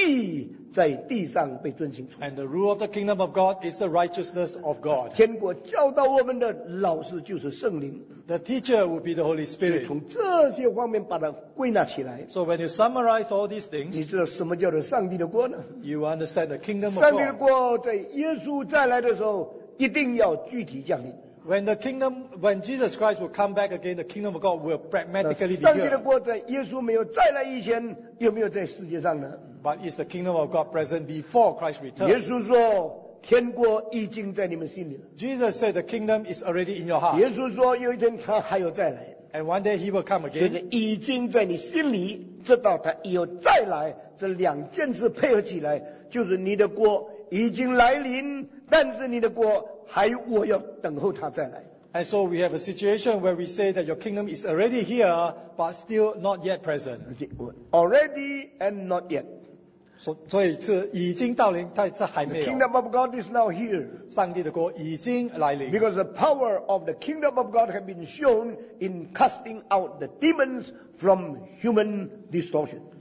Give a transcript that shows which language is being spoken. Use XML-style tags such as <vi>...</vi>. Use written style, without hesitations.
<zh>天国治理的原则就是上帝的义在地上被遵行,</zh> <en>and the rule of the kingdom of God is the righteousness of God.</en> <zh>天国教导我们的老师就是圣灵,</zh> <en>the teacher will be the Holy Spirit.</en> <zh>从这些方面把它归纳起来,</zh> <en>so when you summarize all these things,</en> <zh>你知道什么叫做上帝的国呢?</zh> <en>You understand the kingdom of God.</en> <zh>上帝的国在耶稣再来的时候, 一定要具体降临,</zh> <en>when the kingdom, when Jesus Christ will come back again, the kingdom of God will pragmatically be</en> <zh>上帝的国在耶稣没有再来以前, 有没有在世界上呢?</zh> <en>But is the kingdom of God present before Christ returns?</en> <zh>耶稣说, 天国已经在你们心里了,</zh> <en>Jesus said the kingdom is already in your heart.</en> <zh>耶稣说有一天他还要再来,</zh> <en>and one day he will come again.</en> <zh>所以已经在你心里, 直到他以后再来, 这两件事配合起来, 就是你的国已经来临, 但是你的国还我要等候他再来。</zh> <en>And so we have a situation where we say that your kingdom is already here, but still not yet present. Already and not yet.</en> <zh>所以是已经到临, 但是还没有。</zh> <en>The kingdom of God is now here.</en> <zh>上帝的国已经来临。</zh> <en>Because the power of the kingdom of God has been shown in casting out the demons from human distortion.</en>